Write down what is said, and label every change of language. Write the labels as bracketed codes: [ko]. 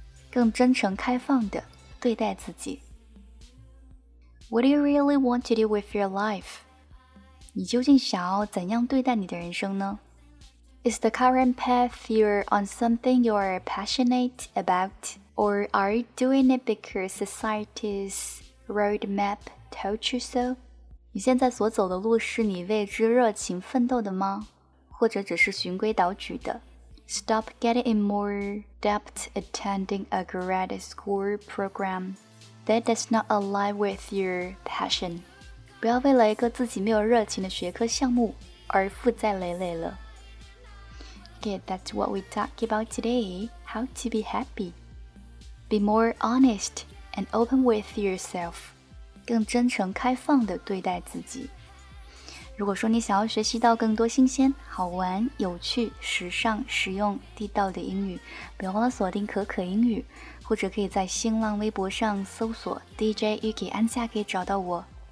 [zh] 更真诚开放地对待自己。 [en] What do you really want to do with your life? [zh] 你究竟想要怎样对待你的人生呢？ [en] Is the current path you're on something you are passionate about, or are you doing it because society's roadmap told you so? [zh] 你现在所走的路是你为之热情奋斗的吗？或者只是循规蹈矩的？ [en] Stop getting in more debt attending a grad school program that does not align with your passion. [zh] 不要为了一个自己没有热情的学科项目而负债累累了。 [en] Okay, that's what we talk about today, how to be happy. Be more honest and open with yourself. [zh] 更真诚开放地对待自己。如果说你想要学习到更多新鲜、好玩、有趣、时尚、实用、地道的英语，别忘了锁定可可英语，或者可以在新浪微博上搜索 DJ Yuki 安夏，可以找到我。